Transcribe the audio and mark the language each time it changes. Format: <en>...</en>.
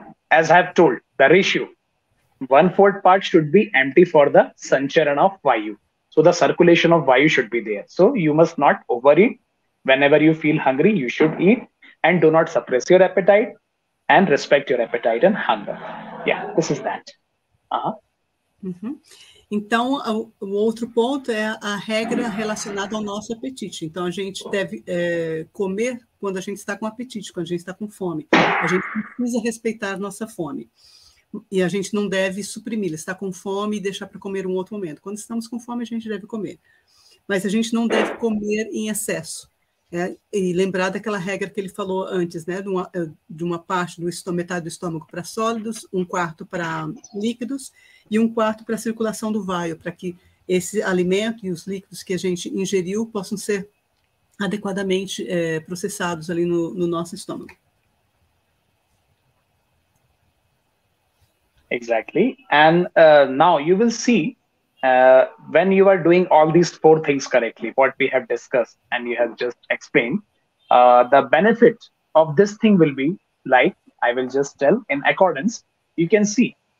<en>As I have told, the ratio, 1/4 part should be empty for the sancharan of vayu. So the circulation of vayu should be there. So you must not overeat. Whenever you feel hungry, you should eat. And do not suppress your appetite. And respect your appetite and hunger. Yeah, this is that. Uh-huh. Mm-hmm.</en> <pt>Então, o outro ponto é a regra relacionada ao nosso apetite. Então, a gente deve comer quando a gente está com apetite, quando a gente está com fome. A gente precisa respeitar nossa fome. E a gente não deve suprimi-la. Está com fome e deixar para comer um outro momento. Quando estamos com fome, a gente deve comer. Mas a gente não deve comer em excesso. É, e lembrar daquela regra que ele falou antes, né, de uma parte do estômago, metade do estômago para sólidos, um quarto para líquidos e um quarto para a circulação do vaio, para que esse alimento e os líquidos que a gente ingeriu possam ser adequadamente processados ali no nosso estômago.</pt> <en>Exactly. And now you will see when you are doing all these four things correctly, what we have discussed and you have just explained, the benefit of this thing will be like, I will just tell in accordance, you can see.</en>